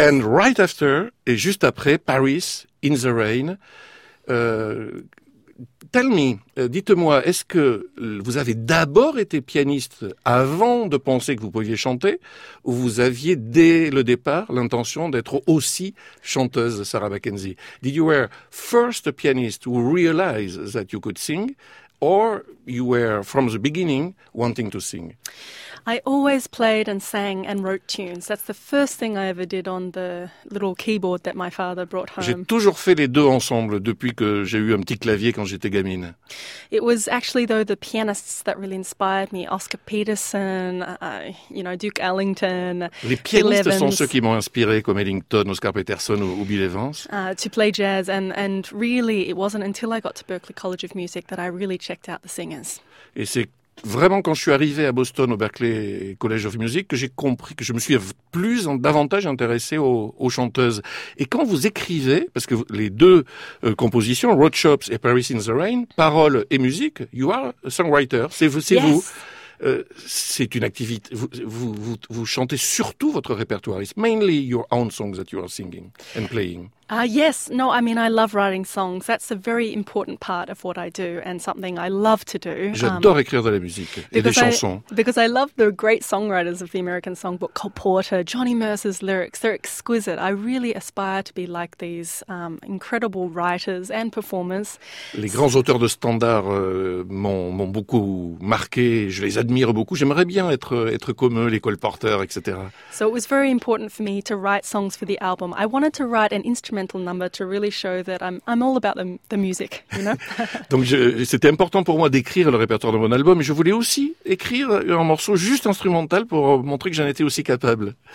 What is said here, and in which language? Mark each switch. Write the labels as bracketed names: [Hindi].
[English] And right after, [French] et juste après, [English] Paris, in the rain. Tell me, [French] dites-moi, est-ce que vous avez d'abord été pianiste avant de penser que vous pouviez chanter, ou vous aviez dès le départ l'intention d'être aussi chanteuse, Sarah McKenzie? [English] Did you were first a pianist who realized that you could sing, or you were from the beginning wanting to sing? I always played and sang and wrote tunes. That's the first thing I ever did on the little keyboard that my father brought home. [French] J'ai toujours fait les deux ensemble depuis que j'ai eu un petit clavier quand j'étais gamine. [English] It was actually, though, the pianists that really inspired me. Oscar Peterson, Duke Ellington, [French] Les pianistes Bill Evans. Sont ceux qui m'ont inspiré, comme Ellington, Oscar Peterson ou Bill Evans. [English] To play jazz, and really, it wasn't until I got to Berklee College of Music that I really checked out the singers. [French] Et c'est vraiment quand je suis arrivé à Boston au Berklee College of Music que j'ai compris, que je me suis davantage intéressé aux chanteuses. Et quand vous écrivez, parce que les deux compositions, Road Shops et Paris in the Rain, paroles et musique, [English] you are a songwriter, [French] c'est [English] yes. [French] vous. C'est une activité. Vous chantez surtout votre répertoire. [English] It's mainly your own songs that you are singing and playing. Yes. No, I mean, I love writing songs. That's a very important part of what I do and something I love to do. [French] J'adore écrire de la musique et des chansons. [English] Because I love the great songwriters of the American Songbook, Cole Porter, Johnny Mercer's lyrics. They're exquisite. I really aspire to be like these incredible writers and performers. [French] Les grands auteurs de standard m'ont beaucoup marqué. Je les admire beaucoup. J'aimerais bien être comme eux, les Cole Porter, etc. [English] So it was very important for me to write songs for the album. I wanted to write an instrumental number to really show that I'm all about the music, you know. [French] Donc c'était important pour moi d'écrire le répertoire de mon album, mais je voulais aussi écrire un morceau juste instrumental pour montrer que j'en étais aussi capable.